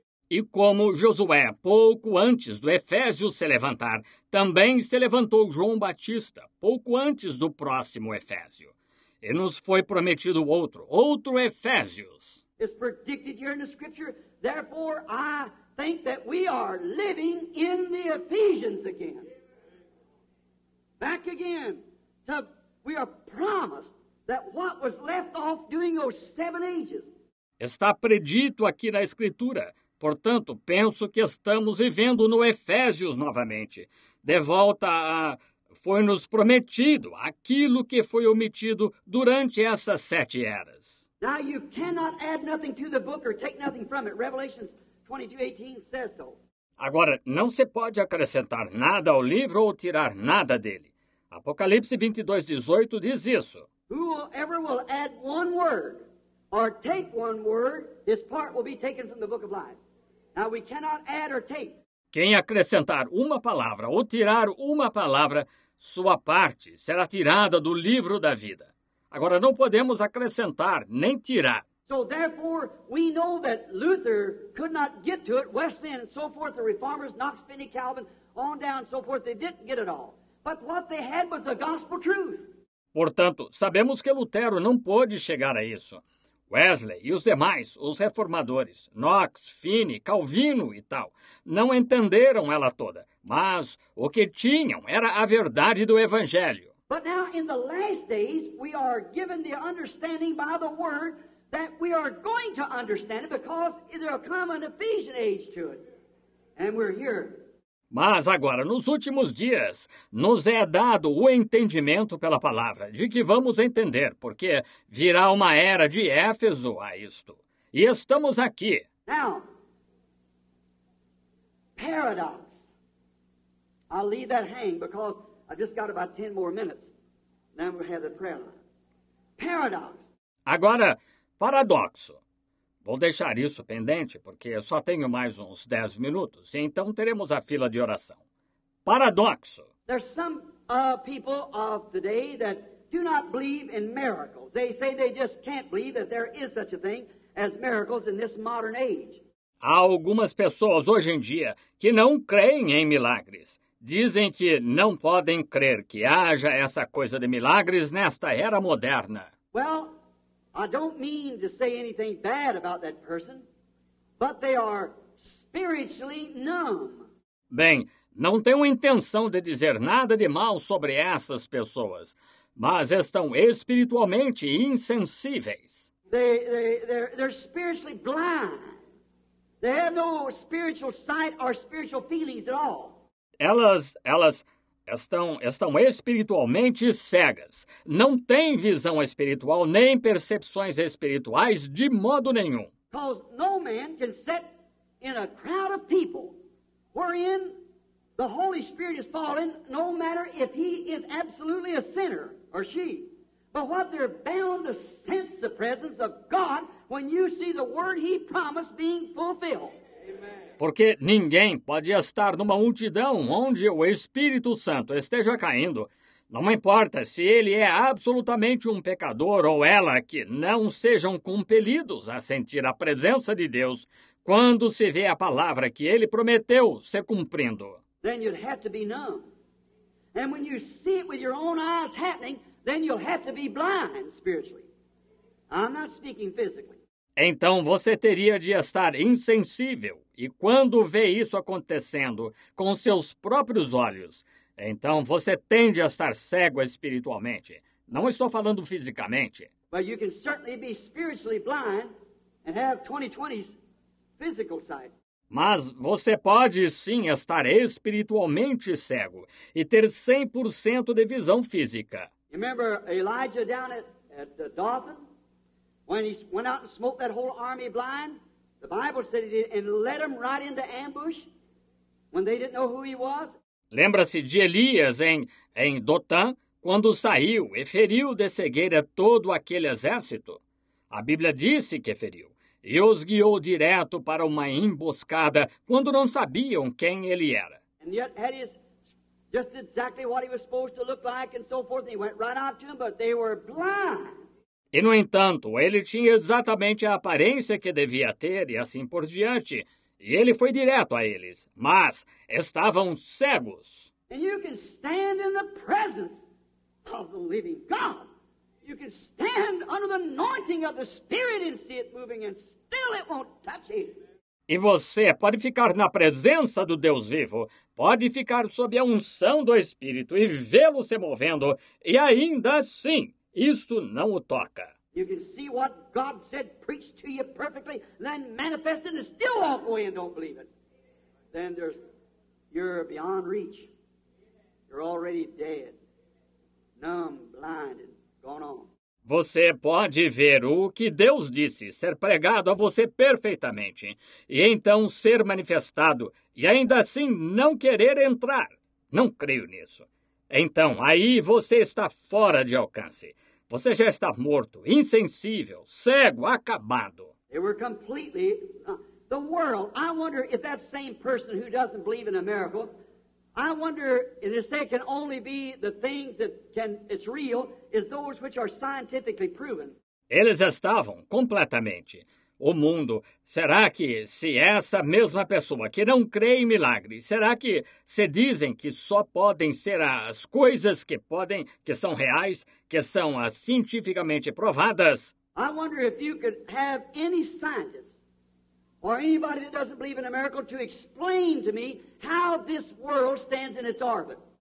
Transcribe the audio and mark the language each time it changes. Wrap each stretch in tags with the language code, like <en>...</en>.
<pt>E como Josué, pouco antes do Efésios se levantar, também se levantou João Batista, pouco antes do próximo Efésio. E nos foi prometido outro Efésios.</pt> <en>It's predicted here in the scripture, therefore I think that we are living in the Ephesians again. Back again. We are promised that what was left off during those seven ages.</en> <pt>Está predito aqui na escritura. Portanto, penso que estamos vivendo no Efésios novamente. De volta a... Foi-nos prometido aquilo que foi omitido durante essas sete eras.</pt> <en>Now you cannot add nothing to the book or take nothing from it. Revelations 22:18 says so.</en> <pt>Agora, não se pode acrescentar nada ao livro ou tirar nada dele. Apocalipse 22:18 diz isso.</pt> <en>Whoever will add one word or take one word, this part will be taken from the book of life. Now we cannot add or take.</en> <pt>Quem acrescentar uma palavra ou tirar uma palavra, sua parte será tirada do livro da vida. Agora não podemos acrescentar nem tirar.</pt> <en>So therefore we know that Luther could not get to it, Wesley and so forth, the reformers, Knox, Finney, Calvin, on down and so forth, they didn't get it all. But what they had was the gospel truth.</en> <pt>Portanto, sabemos que Lutero não pôde chegar a isso. Wesley e os demais, os reformadores, Knox, Finney, Calvino e tal, não entenderam ela toda, mas o que tinham era a verdade do Evangelho.</pt> <en>But now, in the last days, we are given the understanding by the Word that we are going to understand it because there will come an Ephesian age to it. And we're here.</en> <pt>Mas agora, nos últimos dias, nos é dado o entendimento pela palavra, de que vamos entender, porque virá uma era de Éfeso a isto. E estamos aqui.</pt> <en>Now, paradox. I'll leave that hang, because I've just got about 10 more minutes. Then we'll have the prayer line. Paradox.</en> <pt>Agora, paradoxo. Vou deixar isso pendente, porque só tenho mais uns 10 minutos, e então teremos a fila de oração. Paradoxo.</pt> <en>There's some people of today that do not believe in miracles. They say they just can't believe that there is such a thing as miracles in this modern age.</en> <pt>Há algumas pessoas hoje em dia que não creem em milagres. Dizem que não podem crer que haja essa coisa de milagres nesta era moderna.</pt> <en>Well, I don't mean to say anything bad about that person, but they are spiritually numb.</en> <pt>Bem, não tenho intenção de dizer nada de mal sobre essas pessoas, mas estão espiritualmente insensíveis.</pt> <en>They're spiritually blind. They have no spiritual sight or spiritual feelings at all.</en> <pt>Elas estão espiritualmente cegas. Não têm visão espiritual nem percepções espirituais de modo nenhum.</pt> <en>Because no man can sit in a crowd of people wherein the Holy Spirit is fallen, no matter if he is absolutely a sinner or she. But what they're bound to sense the presence of God when you see the word he promised being fulfilled.</en> <pt>Porque ninguém pode estar numa multidão onde o Espírito Santo esteja caindo, Não importa se ele é absolutamente um pecador ou ela, que não sejam compelidos a sentir a presença de Deus quando se vê a palavra que ele prometeu se cumprindo.</pt> <en>Then you'd have to be numb. And when you see it with your own eyes happening, then you'll have to be blind spiritually. I'm not speaking physically.</en> <pt>Então você teria de estar insensível, e quando vê isso acontecendo com seus próprios olhos, então você tende a estar cego espiritualmente. Não estou falando fisicamente.</pt> <en>But you can certainly be spiritually blind and have 20/20 physical sight.</en> <pt>Mas você pode sim estar espiritualmente cego e ter 100% de visão física.</pt> <en>Remember Elijah down at the Dothan? When he went out and smote that whole army blind, the Bible said he did, and led them right into ambush when they didn't know who he was.</en> <pt>Lembra-se de Elias em Dothan, quando saiu e feriu de cegueira todo aquele exército? A Bíblia disse que feriu, e os guiou direto para uma emboscada quando não sabiam quem ele era.</pt> <en>And yet had his just exactly what he was supposed to look like and so forth, and he went right out to them, but they were blind.</en> <pt>E, no entanto, ele tinha exatamente a aparência que devia ter e assim por diante. E ele foi direto a eles, mas estavam cegos.</pt> <en>And you can stand in the presence of the living God. You can stand under the anointing of the Spirit and see it moving and still it won't touch you.</en> <pt>E você pode ficar na presença do Deus vivo, pode ficar sob a unção do Espírito e vê-lo se movendo, e ainda assim, isto não o toca.</pt> <en>You can see what God said preached to you perfectly, then manifested and still walk away and don't believe it. Then there's, you're beyond reach. You're already dead, numb, blind, and gone on.</en> <pt>Você pode ver o que Deus disse ser pregado a você perfeitamente, e então ser manifestado, e ainda assim não querer entrar. Não creio nisso. Então, aí você está fora de alcance. Você já está morto, insensível, cego, acabado.</pt> <en>They were completely, the world, I wonder if that same person who doesn't believe in a miracle, I wonder if they say it can only be the things that can, it's real, is those which are scientifically proven.</en> <pt>Eles estavam completamente. O mundo, será que se essa mesma pessoa que não crê em milagres, será que se dizem que só podem ser as coisas que podem, que são reais, que são as cientificamente provadas?</pt> <en>I wonder if you could have any scientist or anybody that doesn't believe in a miracle to explain to me how this world stands in its orbit.</en>